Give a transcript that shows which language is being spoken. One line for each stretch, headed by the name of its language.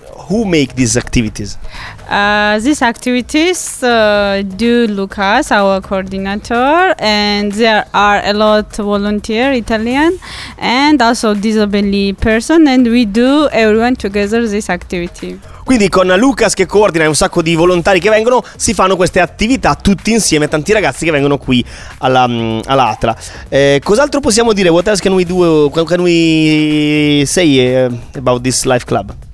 English: Who make these activities? These activities do Lucas, our coordinator, and there are a lot volunteer Italian and also disabled person, and we do everyone together this activity.
Italian: Quindi con Lucas che coordina e un sacco di volontari che vengono, si fanno queste attività tutti insieme, tanti ragazzi che vengono qui alla ATLA. Cos'altro possiamo dire?
English: What else can we do? What can we say about this Life Club?